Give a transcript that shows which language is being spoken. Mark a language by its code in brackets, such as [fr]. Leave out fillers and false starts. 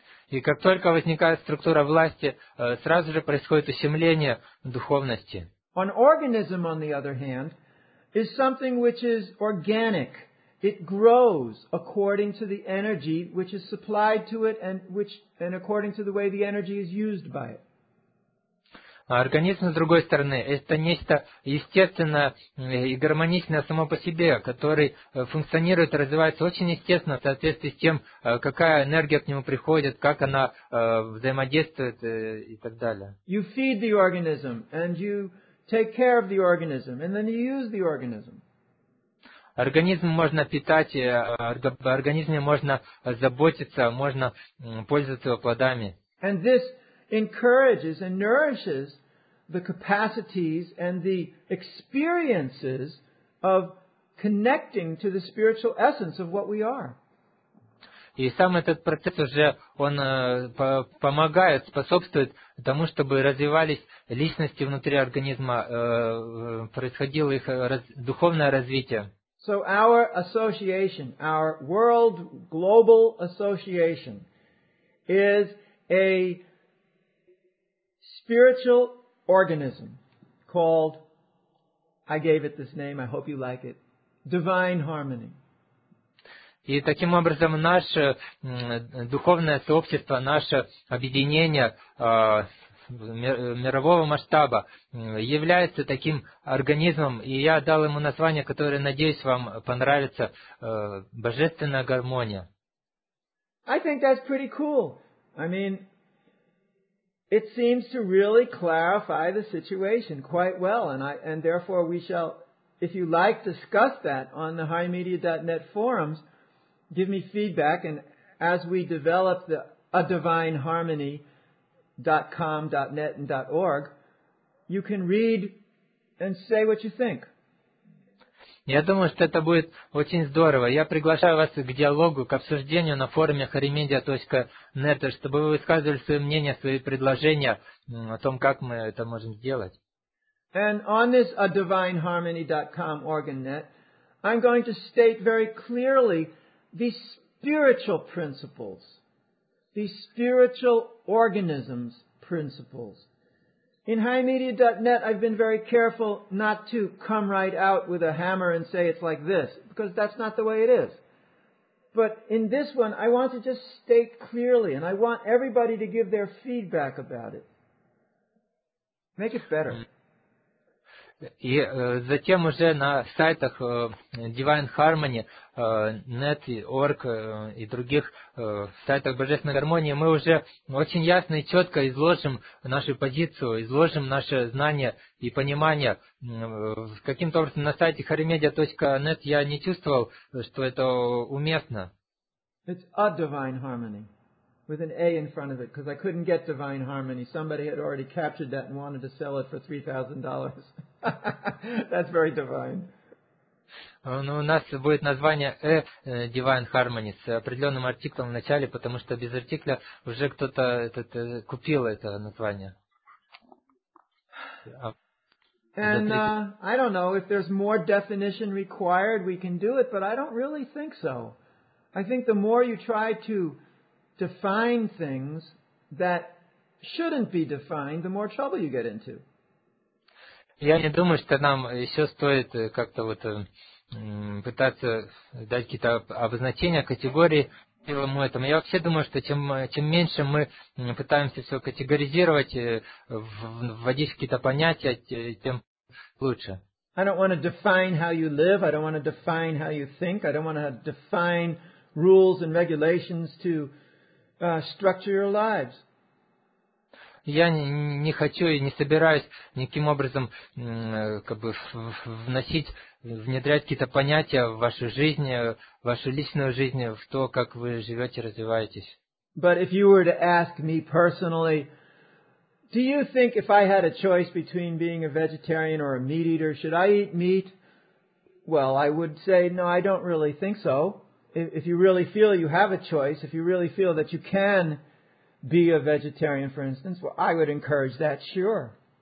[ru] И как только возникает структура власти, сразу же происходит ущемление духовности. [en] An organism, on the other hand, is something which is organic. It grows according to the energy which is supplied to it and according to the way the energy is used by it. [ru] Организм, с другой стороны, это нечто естественное и гармоничное само по себе, который функционирует и развивается очень естественно в соответствии с тем, какая энергия к нему приходит, как она взаимодействует и так далее. [en] You feed the organism and you take care of the organism and then you use the organism. [ru] Организм можно питать, в организме можно заботиться, можно пользоваться его плодами. [en] And this encourages and nourishes the capacities and the experiences of connecting to the spiritual essence of what we are. [ru] И сам этот процесс уже, он помогает, способствует тому, чтобы развивались личности внутри организма, происходило их духовное развитие. [en] So our association, our world global association, is a spiritual organism called, I gave it this name, I hope you like it, Divine Harmony. [ru] И таким образом наше духовное сообщество, наше объединение мирового масштаба является таким организмом, и я дал ему название, которое, надеюсь, вам понравится, Божественная гармония. [en] I think that's pretty cool. I mean, it seems to really clarify the situation quite well, and therefore we shall, if you like, discuss that on the highmedia.net forums. Give me feedback, and as we develop the adivineharmony.com.net and .org, you can read and say what you think. [ru] Я думаю, что это будет очень здорово. Я приглашаю вас к диалогу, к обсуждению на форуме harimedia.net, чтобы вы высказывали свое мнение, свои предложения о том, как мы это можем сделать. [en] And on this adivineharmony.com organ net, I'm going to state very clearly the spiritual principles, the spiritual organisms principles. In highmedia.net, I've been very careful not to come right out with a hammer and say it's like this, because that's not the way it is. But in this one, I want to just state clearly, and I want everybody to give their feedback about it. Make it better. [ru] И затем уже на сайтах Divine Harmony, Net.org и других сайтах Божественной Гармонии мы уже очень ясно и четко изложим нашу позицию, изложим наше знание и понимание. Каким-то образом на сайте harimedia.net я не чувствовал, что это уместно. [en] It's a Divine Harmony, with an A in front of it, because I couldn't get Divine Harmony. Somebody had already captured that and wanted to sell it for $3,000. That's very divine. [ru] Ну, у нас будет название Divine Harmony с определенным артиклом в начале, потому что без артикля уже кто-то купил это название. [en] And I don't know, if there's more definition required, we can do it, but I don't really think so. I think the more you try to define things that shouldn't be defined, the more trouble you get into. [ru] Я не думаю, что нам еще стоит как-то вот пытаться дать какие-то обозначения, категории этому. Я вообще думаю, что чем меньше мы пытаемся все категоризировать, вводить какие-то понятия, тем лучше. [en] I don't want to define how you live, I don't want to define how you think, I don't want to define rules and regulations to structure your lives. [ru] Я не хочу и не собираюсь никаким образом как бы вносить, внедрять какие-то понятия в вашу жизнь, в вашу личную жизнь, в то, как вы живете, развиваетесь. [en] But if you were to ask me personally, Do you think if I had a choice between being a vegetarian or a meat eater, should I eat meat? Well, I would say, no, I don't really think so. If you really feel you have a choice, if you really feel that you can be a vegetarian, for instance, well, I would encourage that, sure.